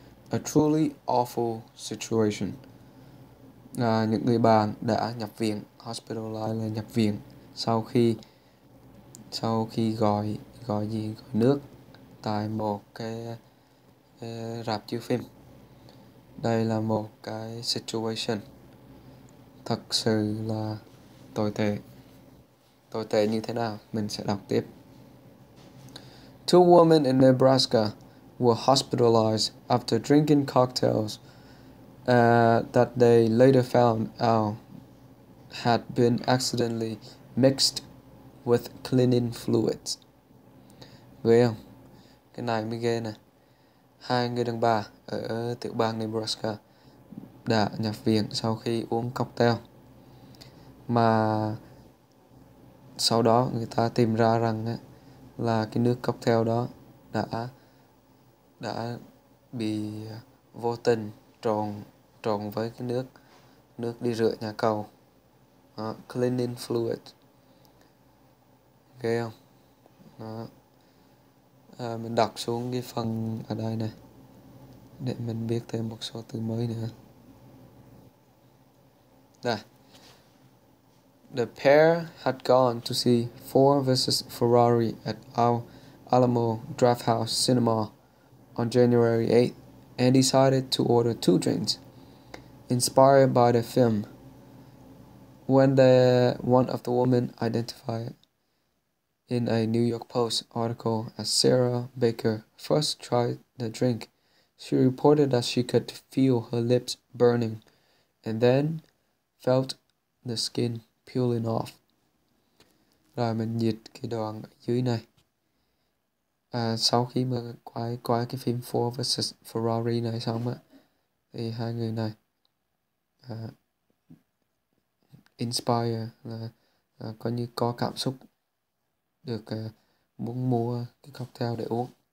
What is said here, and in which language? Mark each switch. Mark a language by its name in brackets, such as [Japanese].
[English] A truly awful situation. [Vietnamese] Những người bạn đã nhập viện, hospitalized là nhập viện sau khi gọi nước tại một cái rạp chiếu phim. Đây là một cái situation thật sự là tồi tệ. Tồi tệ như thế nào? Mình sẽ đọc tiếp. [English] Two women in Nebraska were hospitalized after drinking cocktails that they later found out had been accidentally mixed with cleaning fluids. [Vietnamese] Well, cái này mới ghê nè. Hai người đàn bà ở tiểu bang Nebraska đã nhập viện sau khi uống cocktail. Mà sau đó người ta tìm ra rằng là cái nước cocktail đó đã bị vô tình trộn với cái nước đi rửa nhà cầu. Đó, cleaning fluid. Ghê không? Đó. À, mình đọc xuống cái phần ở đây này để mình biết thêm một số từ mới nữa. Đây. [English] The pair had gone to see Ford vs. Ferrari at our Alamo Drafthouse Cinema on January 8th and decided to order two drinks inspired by the film. When one of the women identified in a New York Post article as Sarah Baker first tried the drink, she reported that she could feel her lips burning and then felt the skin peeling off. [Vietnamese] Rồi mình dịch cái đoạn ở dưới này. Sau khi mà quay cái phim Ford vs Ferrari này xong á, thì hai người này inspire là coi như có cảm xúc được muốn mua cái cocktail để uống.